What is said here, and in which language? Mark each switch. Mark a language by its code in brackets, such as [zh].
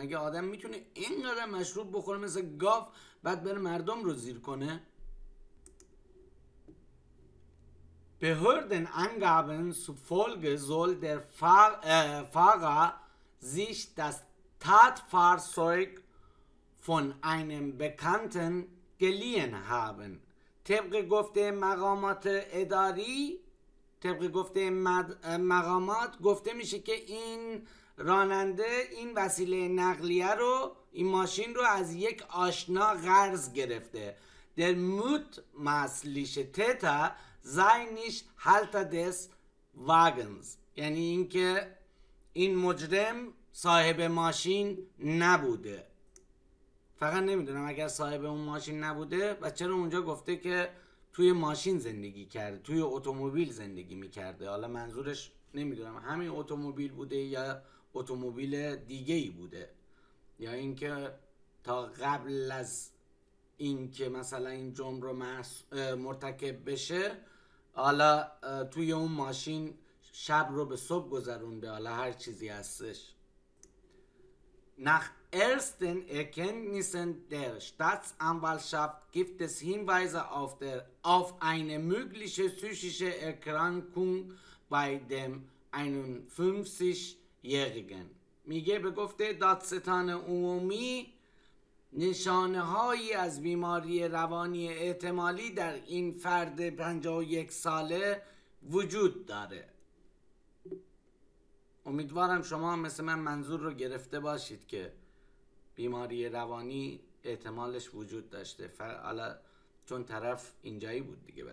[fa] مگه آدم میتونه اینقدر مشروب بخوره مثل گاف بعد بره مردم رو زیر کنه؟ [de] Behörden angaben zufolge soll der Fahrer sich das Tatfahrzeug von einem Bekannten geliehen haben. [fa] طبق گفته مقامات اداری، طبق گفته مقامات گفته میشه که این راننده این وسیله نقلیه رو، این ماشین رو از یک آشنا قرض گرفته. [de] Der mutmaßliche Täter sei nicht Halter des Wagens. [fa] یعنی اینکه این مجرم صاحب ماشین نبوده. فقط نمیدونم اگر صاحب اون ماشین نبوده و چرا اونجا گفته که توی ماشین زندگی کرده، توی اتومبیل زندگی میکرده. حالا منظورش نمیدونم همین اتومبیل بوده یا اتومبیل دیگه ای بوده، یا اینکه تا قبل از اینکه مثلا این جرم رو مرتکب بشه حالا توی اون ماشین شب رو به صبح گذرونده، حالا هر چیزی هستش. [de] Nach ersten Erkenntnissen der Staatsanwaltschaft gibt es Hinweise auf eine mögliche psychische Erkrankung bei dem 51-Jährigen. [fa] میگه به گفته دادستان عمومی نشانه هایی از بیماری روانی احتمالی در این فرد 51 ساله وجود داره. امیدوارم شما مثل من منظور رو گرفته باشید که بیماری روانی احتمالش وجود داشته، چون طرف اینجایی بود دیگه.